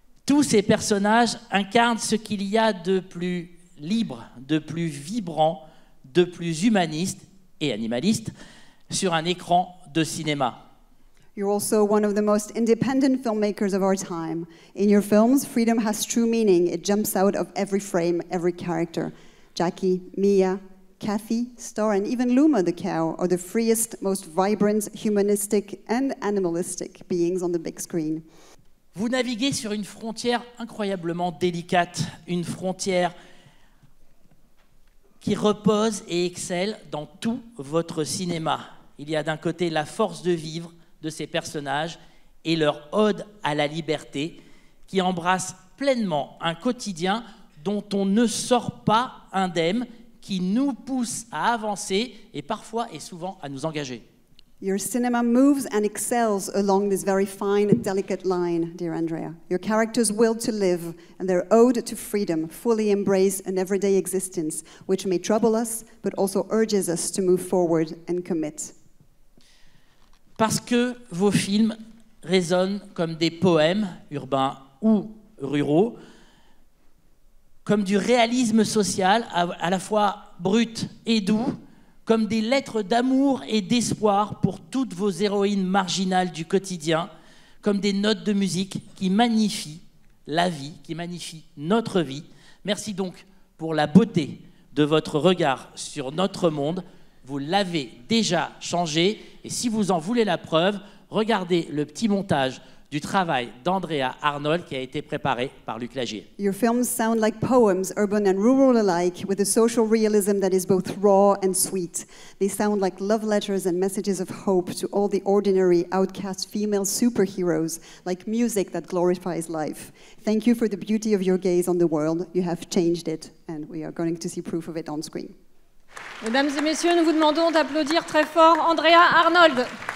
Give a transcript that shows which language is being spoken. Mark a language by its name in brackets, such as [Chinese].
[French] Tous ces personnages incarnent ce qu'il y a de plus libre, de plus vibrant, de plus humaniste et animaliste sur un écran de cinéma. [English] You're also one of the most independent filmmakers of our time. In your films, freedom has true meaning. It jumps out of every frame, every character. Jackie, Mia, Kathy, Star, and even Luma the cow are the freest, most vibrant, humanistic and animalistic beings on the big screen. [French] Vous naviguez sur une frontière incroyablement délicate, une frontière qui repose et excelle dans tout votre cinéma. Il y a d'un côté la force de vivre de ces personnages et leur ode à la liberté qui embrasse pleinement un quotidien dont on ne sort pas indemne, qui nous pousse à avancer et parfois et souvent à nous engager. [English] Your cinema moves and excels along this very fine, delicate line, dear Andrea. Your characters' will to live and their ode to freedom fully embrace an everyday existence, which may trouble us, but also urges us to move forward and commit. [French] Parce que vos films résonnent comme des poèmes, urbains ou ruraux, comme du réalisme social, à la fois brut et doux, comme des lettres d'amour et d'espoir pour toutes vos héroïnes marginales du quotidien, comme des notes de musique qui magnifient la vie, qui magnifient notre vie. Merci donc pour la beauté de votre regard sur notre monde. Vous l'avez déjà changé, et si vous en voulez la preuve, regardez le petit montage du travail d'Andrea Arnold qui a été préparé par Luc Lagier. [English] Your films sound like poems, urban and rural alike, with a social realism that is both raw and sweet. They sound like love letters and messages of hope to all the ordinary outcast female superheroes, like music that glorifies life. Thank you for the beauty of your gaze on the world. You have changed it, and we are going to see proof of it on screen. [French] Mesdames et messieurs, nous vous demandons d'applaudir très fort Andrea Arnold.